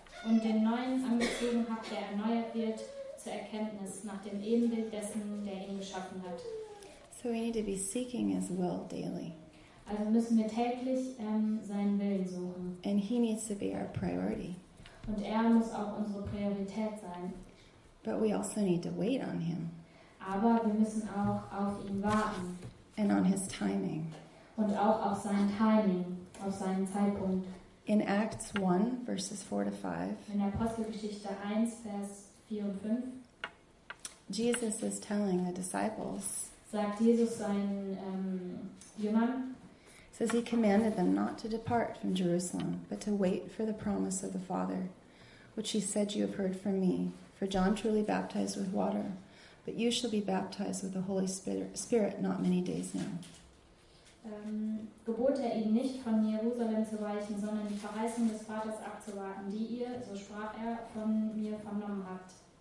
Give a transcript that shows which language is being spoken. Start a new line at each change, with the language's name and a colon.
German: Und den neuen angezogen habt, der erneuert wird zur Erkenntnis nach dem Ebenbild dessen, der ihn geschaffen hat.
English: So we need to be seeking his will daily.
German: Also müssen wir täglich seinen Willen suchen.
English: And he needs to be our priority.
German: Und muss auch unsere Priorität sein.
English: But we also need to wait on him.
German: Aber wir müssen auch auf ihn warten.
English: And on his timing.
German: Und auch auf sein Timing, auf seinen Zeitpunkt.
English: In Acts 1, verses 4 to 5.
German: In Apostelgeschichte 1, Vers 4 und 5.
English: Jesus is telling the disciples.
German: Sagt Jesus seinen Jüngern.
English: Says he commanded them not to depart from Jerusalem, but to wait for the promise of the Father, which he said you have heard from me. For John truly baptized with water, but you shall be baptized with the Holy Spirit not many days now.
German: Gebote ihn nicht von Jerusalem zu weichen, sondern die Verheißung des Vaters abzuwarten, die ihr, so sprach er, von mir vernommen habt.